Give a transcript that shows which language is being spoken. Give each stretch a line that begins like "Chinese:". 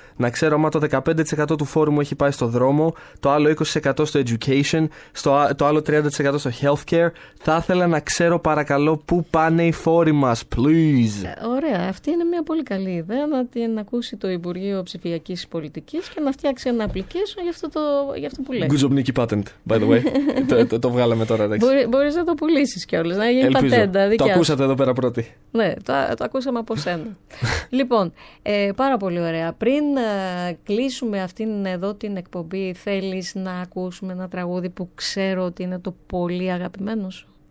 Greek: Να ξέρω άμα το 15% του φόρου μου έχει πάει στο δρόμο, το άλλο 20% στο education, το άλλο 30% στο healthcare. Θα ήθελα να ξέρω, παρακαλώ, πού πάνε οι φόροι μας,
English: please.
Greek: Ωραία. Αυτή είναι μια πολύ καλή ιδέα, να την ακούσει το Υπουργείο Ψηφιακής Πολιτικής και να φτιάξει ένα application για αυτό που λέει.
English: Good job, Nikki Patent, by the way.
Greek: το βγάλαμε τώρα, εντάξει. Μπορείς να το πουλήσεις κιόλας, να γίνει πατέντα. Το ακούσατε εδώ πέρα πρώτοι. Ναι, το ακούσαμε από σένα. Λοιπόν, πάρα πολύ ωραία. Πριν κλείσουμε αυτήν εδώ την εκπομπή, θέλεις να ακούσουμε ένα τραγούδι που ξέρω ότι είναι το πολύ αγαπημένο σου?